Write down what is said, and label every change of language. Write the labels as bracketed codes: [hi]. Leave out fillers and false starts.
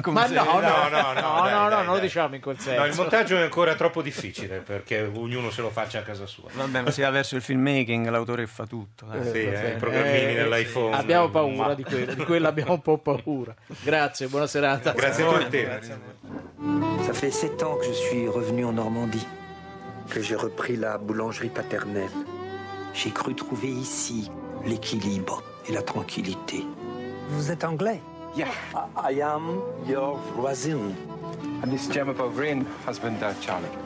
[it] ma no, non lo diciamo in quel senso. No, il montaggio è ancora troppo difficile perché ognuno se lo faccia a casa sua. Vabbè, ma si va verso il filmmaking, l'autore fa tutto. Dai. Sì, i programmini dell'iPhone. Abbiamo paura di quello, abbiamo un po' paura. Grazie, buona serata. Grazie a tutti. [fr] Ça fait 7 ans que je suis revenu en Normandie, que j'ai repris la boulangerie paternelle. J'ai cru trouver ici l'équilibre et la tranquillité. Vous êtes anglais? [en] Yeah. I am your voisin. And this Gemma Bovrin has been dead, Charlie.